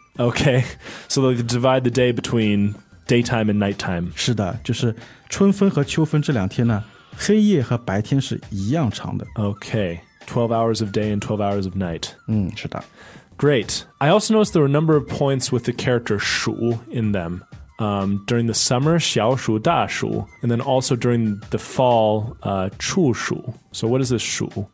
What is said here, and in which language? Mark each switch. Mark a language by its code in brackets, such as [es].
[en] OK So they divide the day between daytime and nighttime [zh] 是的就是春分和秋分这两天呢黑夜和白天是一样长的 [en] OK 12 hours of day and 12 hours of night [zh] 嗯是的 [en] Great. I also noticed there were a number of points with the character 暑 in them. During the summer, 小暑大暑, and then also during the fall, 处暑. So what is this 暑?